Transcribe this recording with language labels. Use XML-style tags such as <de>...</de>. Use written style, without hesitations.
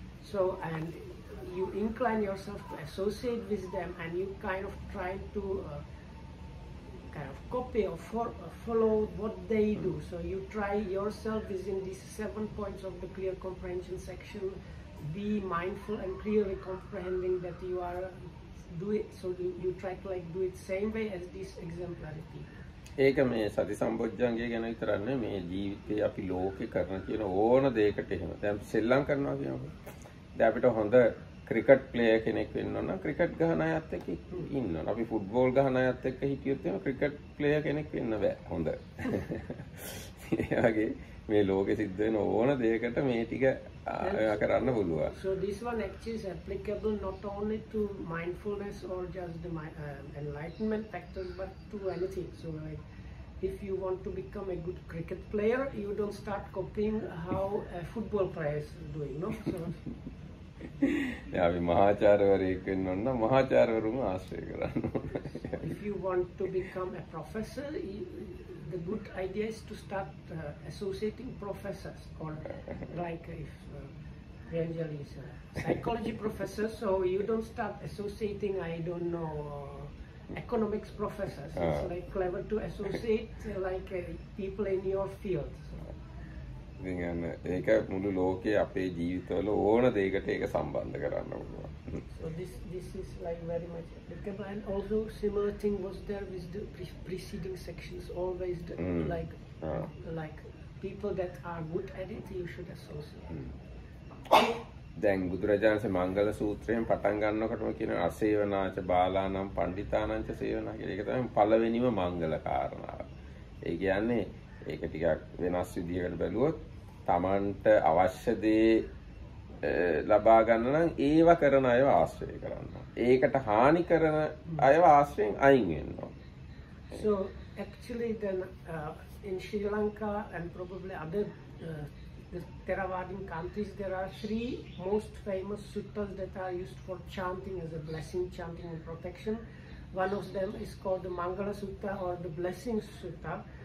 <en>So, and you incline yourself to associate with them, and you kind of try to kind of copy or follow what they do. So you try yourself within these 7 points of the clear comprehension section. Be mindful and clearly comprehending that you are do it, so you try to like do it same way as this exemplary people.</en> <si>ඒක මේ සති සම්බොජ්ජන්ගේ ගැන විතරන්න මේ ජීවිතය අපි ලෝකෙ කරන කියන ඕන දේකට එහෙම දැම් සෙල්ලම් කරනවා කිය දැපිට හොඳ ක්‍රිකට් ප්ලේය කෙනෙක් වෙන්නන්න ක්‍රිකට් ගහන අයත් එක්ක ඉන්නවා අපි ෆුට්බෝල් ගහන අයත් එක්ක හිටියොත් එහෙම ක්‍රිකට් ප්ලේය කෙනෙක් වෙන්න බෑ හොඳ ඒ වගේ මේ ලෝකෙ සිද්ධ වෙන ඕන දෙයකට මේ ටික ආයෝ කරන්න පුළුවන්</si> <en>so this one actually is applicable not only to mindfulness or just the enlightenment factors but to anything so like if you want to become a good cricket player you don't start copying how a football player is doing no so</en> <si>yeah අපි මහාචාර්යවරයෙක් වෙන්න ඕන නම් මහාචාර්යවරුන් ආශ්‍රය කරන්න ඕන</si> <en>if you want to become a professor the good idea is to start associating professors or like if Ranjal is a psychology professor so you don't start associating I don't know economics professors it's like clever to associate like people in your field</en> <si>ඉතින් ඒක මුළු ලෝකයේ අපේ ජීවිතවල ඕන දෙයකට ඒක සම්බන්ධ කරන්න පුළුවන්</si> <en>so this is like very much applicable and also similar thing was there with the preceding sections always the, like people that are good at it you should associate</en> <si>දැන් බුදුරජාණන්සේ මංගල සූත්‍රයෙන් පටන් ගන්නකොටම කියන</si> <pi>අසේවනාච බාලානම් පණ්ඩිතානංච සේවනා</pi> <si>කියලා ඒක තමයි පළවෙනිම මංගල කාරණාව ඒ කියන්නේ ඒක ටිකක් වෙනස් විදිහකට බැලුවොත් තමන්ට අවශ්‍ය දේ ලබා ගන්න නම් ඒව කරන අයව ආශ්‍රය කරන්න. ඒකට හානි කරන අයව ආශ්‍රයෙන් අයින් වෙන්න.</si> <en>So actually then in Sri Lanka and probably other Theravadin countries there are three most famous suttas that are used for chanting as a blessing chanting and protection. One of them is called the Mangala Sutta or the Blessing Sutta.</en>